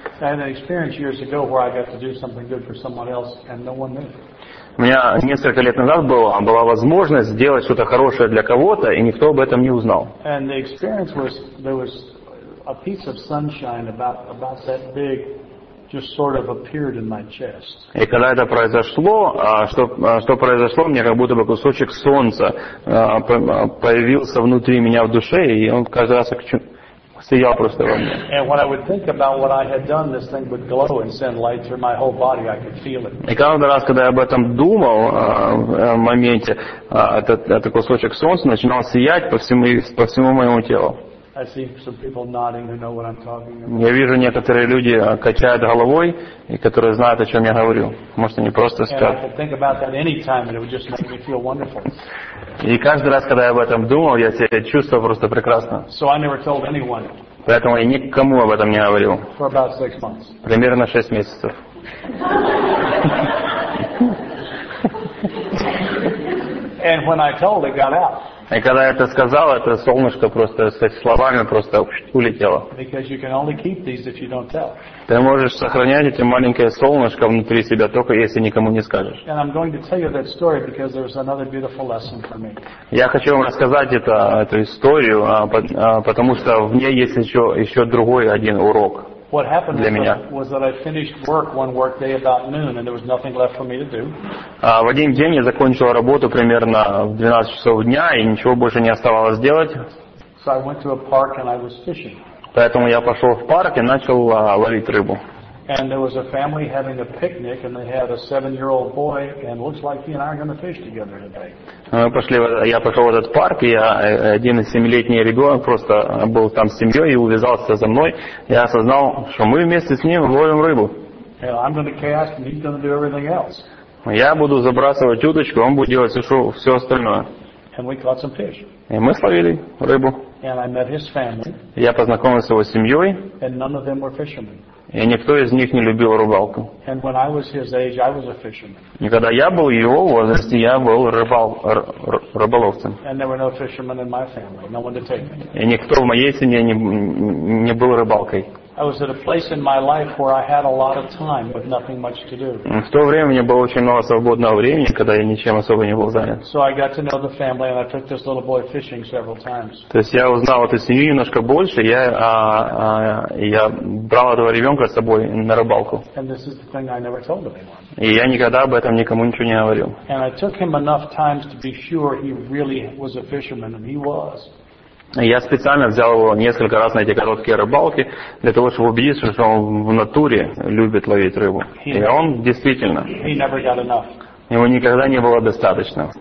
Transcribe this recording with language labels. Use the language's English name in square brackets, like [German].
[English] I had an experience years ago where I got to do something good for someone else and no one knew. [Russian] У меня несколько лет назад была возможность сделать что-то хорошее для кого-то, и никто об этом не узнал. [English] And the experience was, there was a piece of sunshine about that big just sort of appeared in my chest. [Russian] И когда это произошло, что произошло, мне как будто бы кусочек солнца появился внутри меня в душе, и он каждый раз сиял просто во мне. [English] And when I would think about what I had done, this thing would glow and send light through my whole body. I could feel it. [Russian] И каждый раз, когда я об этом думал, в моменте, этот кусочек солнца начинал сиять по всему моему телу. [English] I see some people nodding who know what I'm talking about. [Russian] Я вижу некоторые люди качают головой и которые знают, о чем я говорю. Может, они просто спят. [English] And I could think about that any time, and it would just make me feel wonderful. [Russian] И каждый раз, когда я об этом думал, я себя чувствовал просто прекрасно. [English] So I never told anyone. [Russian] Поэтому я никому об этом не говорил. [English] For about 6 months. [Russian] Примерно 6 месяцев. [English] And when I told, it got out. [Russian] И когда я это сказал, это солнышко просто со словами просто улетело. [English] Because you can only keep these if you don't tell. [Russian] Ты можешь сохранять эти маленькое солнышко внутри себя только если никому не скажешь. [English] And I'm going to tell you that story because there's another beautiful lesson for me. [Russian] Я хочу вам рассказать эту историю, потому что в ней есть еще другой один урок. [English] What happened [Russian] для меня. [English] Was that I finished work one work day about noon and there was nothing left for me to do. [Russian] В один день я закончил работу примерно в 12 часов дня и ничего больше не оставалось делать. [English] So I went to a park and I was fishing. [Russian] Поэтому я пошел в парк и начал ловить рыбу. [English] And there was a family having a picnic and they had a 7-year-old boy and looks like he and I are going to fish together today. [Russian] Я пошел в этот парк, и один 7-летний ребенок просто был там с семьей и увязался за мной. Я осознал, что мы вместе с ним ловим рыбу. [English] I'm going to cast and he's going to do everything else. [Russian] Я буду забрасывать удочку, он будет делать все остальное. [English] And we caught some fish. [Russian] И мы словили рыбу. [English] And I met his family. [Russian] Я познакомился с его семьей. [English] And none of them were fishermen. [Russian] И никто из них не любил рыбалку. [English] And when I was his age, I was a fisherman. [Russian] И когда я был его возрасте, я был рыболовцем. [English] And there were no fishermen in my family, no one to take me. [Russian] И никто в моей семье не был рыбалкой. [English] I was at a place in my life where I had a lot of time with nothing much to do. [Russian] В то время у меня было очень много свободного времени, когда я ничем особо не был занят. [English] So I got to know the family and I took this little boy fishing several times. [Russian] То есть я узнал эту семью немножко больше, я брал этого ребенка с собой на рыбалку. [English] And this is the thing I never told anyone. [Russian] И я никогда об этом никому ничего не говорил. [English] And I took him enough times to be sure he really was a fisherman, and he was. [Russian] Я специально взял его несколько раз на эти короткие рыбалки, для того, чтобы убедиться, что он в натуре любит ловить рыбу. И он действительно. [English] He never got enough. [Russian] Его никогда не было достаточно.